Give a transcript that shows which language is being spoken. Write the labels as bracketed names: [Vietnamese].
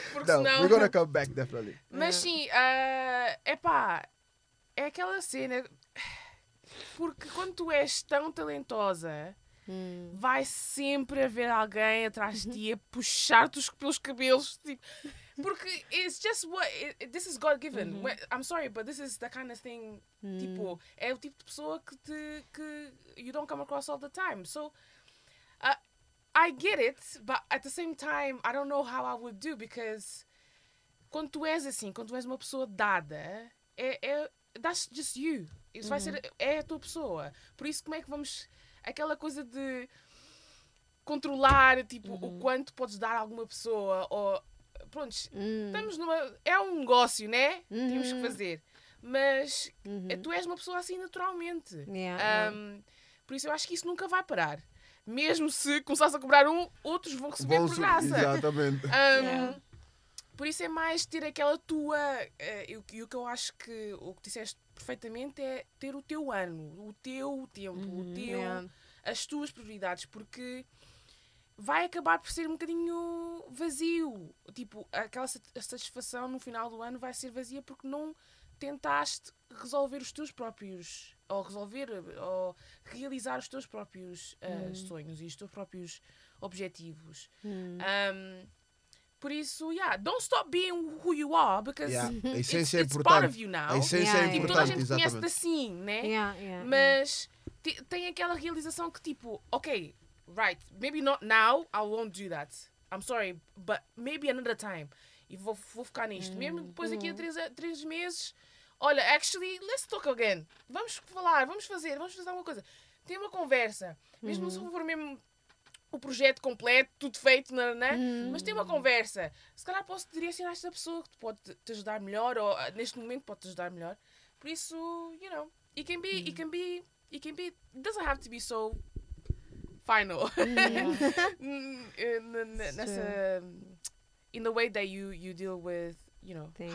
[Portuguese] Porque não, senão... [English] we're gonna come back, definitely. [Portuguese] Mas sim, epá, é aquela cena. Porque quando tu és tão talentosa, vai sempre haver alguém atrás de ti a puxar-te pelos cabelos. Tipo, porque [English] it's just what... this is God given. I'm sorry, but this is the kind of thing... [Portuguese] tipo, é o tipo de pessoa que [English] you don't come across all the time. So, I get it, but at the same time, I don't know how I would do, because [Portuguese] quando tu és assim, quando tu és uma pessoa dada, [English] that's just you. [Portuguese] Isso vai ser, é a tua pessoa. Por isso, como é que vamos... aquela coisa de controlar, tipo, o quanto podes dar a alguma pessoa, ou... pronto, estamos numa... é um negócio, né? Temos que fazer. Mas tu és uma pessoa assim naturalmente. Por isso, eu acho que isso nunca vai parar. Mesmo se começares a cobrar outros vão receber por graça. Exatamente. Por isso é mais ter aquela tua... e o que eu acho que... o que disseste perfeitamente é ter o teu ano, o teu tempo, o teu... as tuas prioridades, porque vai acabar por ser um bocadinho vazio. Tipo, aquela satisfação no final do ano vai ser vazia porque não tentaste resolver os teus próprios, ou resolver, ou realizar os teus próprios sonhos e os teus próprios objetivos. Por isso, [English] yeah, don't stop being who you are, because it's part of you now. [Portuguese] A essência é importante, toda a gente conhece-te assim, né? Mas tem aquela realização que tipo, ok, [English] right, maybe not now, I won't do that. I'm sorry, but maybe another time. [Portuguese] E vou ficar nisto. Mesmo depois aqui a três meses, olha, [English] actually, let's talk again. [Portuguese] Vamos falar, vamos fazer alguma coisa. Tem uma conversa. Mesmo se for mesmo o projeto completo, tudo feito, não é? Mas tem uma conversa. Se calhar posso direcionar esta pessoa que pode te ajudar melhor, ou neste momento pode te ajudar melhor. [English] Por isso, you know, it can be, doesn't have to be so final. [Portuguese] Nessa... [English] In the way that you deal with, you know, Thanks.